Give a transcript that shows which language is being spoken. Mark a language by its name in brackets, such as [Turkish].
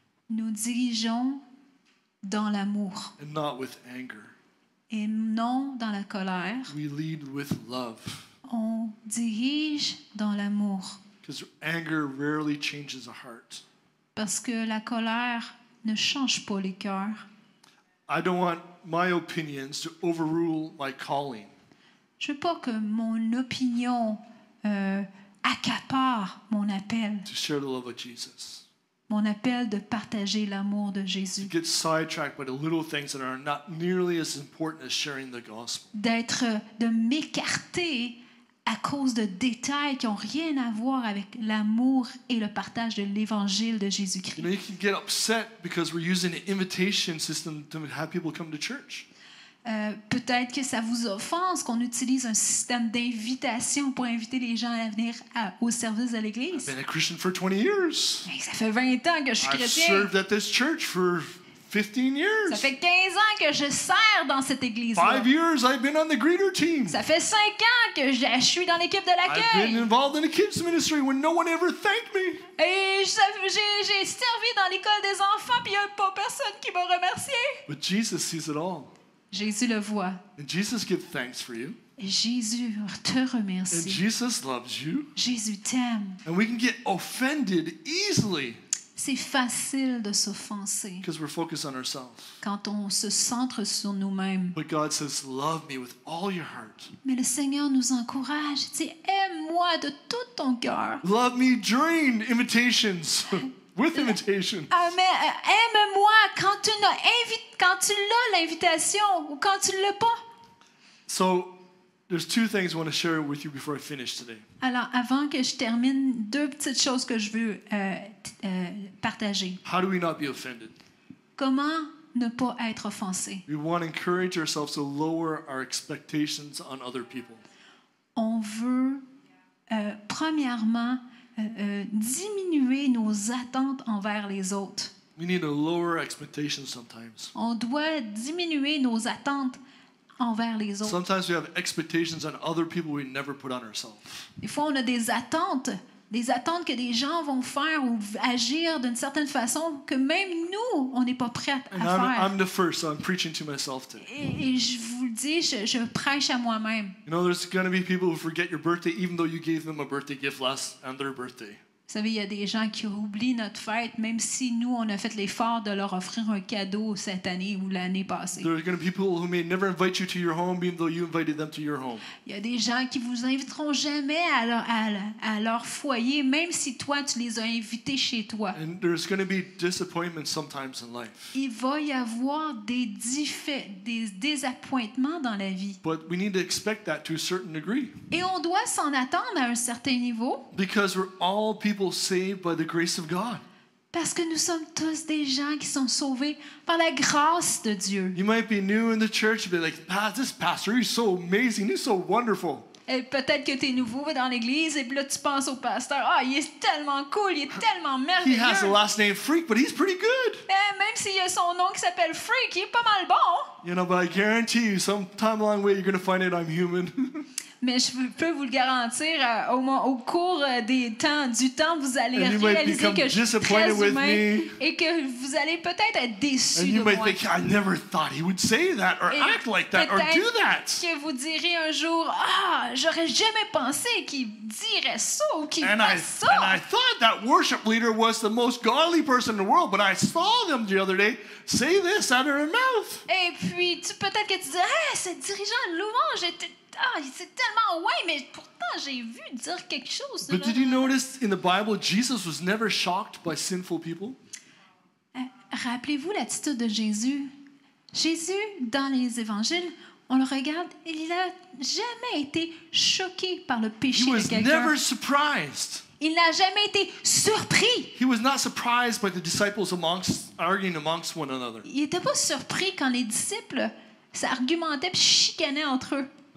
[French] Nous dirigeons dans l'amour. [English] And not with anger. [French] Et non dans la colère. [English] We lead with love. [French] On dirige dans l'amour. [English] Because anger rarely changes a heart. [French] Parce que la colère ne change pas les cœurs. [English] I don't want my opinions to overrule my calling. [French] Je veux pas que mon opinion accapare mon appel. [English] To share the love of Jesus. [French] Mon appel de partager l'amour de Jésus. [English] To get sidetracked by the little things that are not nearly as important as sharing the gospel. [French] D'être, de m'écarter à cause de détails qui n'ont rien à voir avec l'amour et le partage de l'évangile de Jésus-Christ. [English] You know, you can get upset because we're using an invitation system to have people come to church. [French] Peut-être que ça vous offense qu'on utilise un système d'invitation pour inviter les gens à venir à, au service de l'Église. [English] I've been a Christian for 20 years. [French] Mais ça fait 20 ans que je suis chrétien. [English] I've served at this church for 15 years. [French] Ça fait 15 ans que je sers dans cette église. [English] 5 years I've been on the greeter team. [French] Ça fait 5 ans que je suis dans l'équipe de l'accueil. [English] I've been involved in the kids ministry when no one ever thanked me. [French] Et j'ai servi dans l'école des enfants puis il y a pas personne qui m'a remercié. [English] But Jesus sees it all. [French] Jésus le voit. [English] And Jesus gives thanks for you. [French] Et Jésus te remercie. [English] And Jesus loves you. [French] Jésus t'aime. [English] And we can get offended easily. [French] C'est facile de s'offenser. [English] Because we're focused on ourselves. [French] Quand on se centre sur nous-mêmes. [English] But God says, love me with all your heart. [French] Mais le Seigneur nous encourage. Il dit, aime-moi de tout ton cœur. [English] Love me during invitations. With invitation. [French] Aime-moi quand tu l'as l'invitation ou quand tu l'as pas. [English] So, there's two things I want to share with you before I finish today. [French] Alors, avant que je termine, deux petites choses que je veux partager. [English] How do we not be offended? [French] Comment ne pas être offensé? [English] We want to encourage ourselves to lower our expectations on other people. [French] On veut premièrement diminuer nos attentes envers les autres. [English] We need to lower expectations sometimes. [French] On doit diminuer nos attentes envers les autres. [English] Sometimes we have expectations on other people we never put on ourselves. [French] Des fois, on a des attentes que des gens vont faire ou agir d'une certaine façon que même nous, on n'est pas prêts à faire. [English] I'm the first, so I'm preaching to myself today. [French] Et je vous le dis, je prêche à moi-même. [English] You know, there's going to be people who forget your birthday even though you gave them a birthday gift last on their birthday. [French] Vous savez, il y a des gens qui oublient notre fête même si nous, on a fait l'effort de leur offrir un cadeau cette année ou l'année passée. [English] There are going to be people who may never invite you to your home even though you invited them to your home. [French] Il y a des gens qui vous inviteront jamais à leur foyer même si toi, tu les as invités chez toi. [English] And there's going to be disappointments sometimes in life. [French] Il va y avoir des désappointements dans la vie. [English] But we need to expect that to a certain degree. [French] Et on doit s'en attendre à un certain niveau. [English] Because we're all people saved by the grace of God. [French] Parce que nous sommes tous des gens qui sont sauvés par la grâce de Dieu. [English] You might be new in the church, but like, this pastor, he's so amazing, he's so wonderful. [French] Et peut-être que tu es nouveau dans l'église et là tu penses au pasteur. Ah, oh, il est tellement cool, il est tellement merveilleux. [English] He has the last name Freak, but he's pretty good. [French] Et même s'il a son nom qui s'appelle Freak, il est pas mal bon. [English] You know, but I guarantee you, sometime along the way, you're going to find out I'm human. [French] Mais je peux vous le garantir, au cours du temps, vous allez réaliser que je suis très humain et que vous allez peut-être être déçu de moi. [English] Think, I never thought he would say that or [French] et [English] act like that or do that. [French] Que vous direz un jour, ah, j'aurais jamais pensé qu'il dirait ça ou qu'il ferait ça. [English] And I thought that worship leader was the most godly person in the world, but I saw them the other day say this out of her mouth. [French] Et puis, peut-être que tu dirais, ah, cette dirigeante de louange était... Ah, c'est tellement ouais, mais pourtant j'ai vu dire quelque chose. [English] But did you notice in the Bible Jesus was never shocked by sinful people? [French] Rappelez-vous l'attitude de Jésus. Jésus dans les évangiles, on le regarde, il n'a jamais été choqué par le péché de quelqu'un. He was never surprised. Il n'a jamais été surpris. He was not surprised by the disciples arguing amongst one another. Il n'était pas surpris quand les disciples s'argumentaient et chicanaient entre eux.